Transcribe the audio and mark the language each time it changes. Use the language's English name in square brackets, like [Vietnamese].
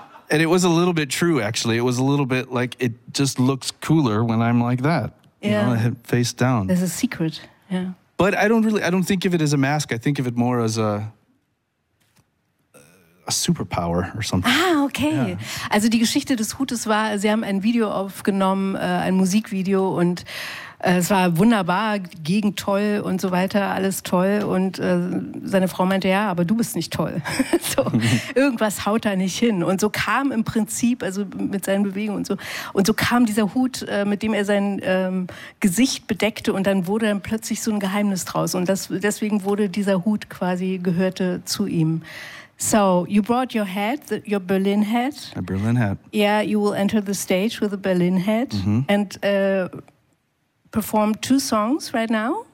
[English] And it was a little bit true, actually. It was a little bit like, it just looks cooler when I'm like that. Yeah. You know, face down. There's a secret, yeah. But I don't think of it as a mask. I think of it more as a superpower or something. Ah, okay. Yeah. [German] Also die Geschichte des Hutes war, sie haben ein Video aufgenommen, ein Musikvideo und es war wunderbar, gegen toll und so weiter, alles toll und seine Frau meinte, ja, aber du bist nicht toll. So, irgendwas haut da nicht hin und so kam im Prinzip, also mit seinen Bewegungen und so kam dieser Hut, mit dem er sein Gesicht bedeckte und dann wurde dann plötzlich so ein Geheimnis draus und deswegen wurde dieser Hut quasi gehörte zu ihm. [English] So, you brought your hat, your Berlin hat. A Berlin hat. Yeah, you will enter the stage with a Berlin hat and perform two songs right now.